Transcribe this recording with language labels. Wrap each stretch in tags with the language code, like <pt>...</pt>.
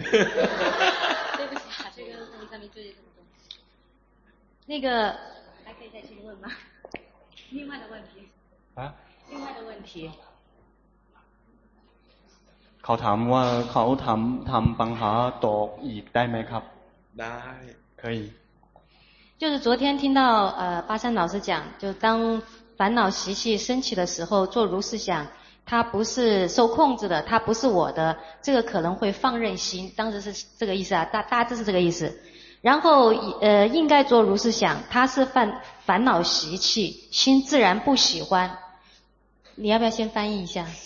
<zh>对不起啊这个我还没对的这么多那个还可以再去问吗另外的问题啊另外的问题</zh> <th>เขาถามว่าเขาทำปัญหาตกอีกได้ไหมครับ ได้</th> <zh>可以就是昨天听到巴山老师讲就当烦恼习气升起的时候做如是想它不是受控制的它不是我的这个可能会放任心当时是这个意思啊大致是这个意思然后应该做如是想它是烦恼习气心自然不喜欢你要不要先翻译一下</zh>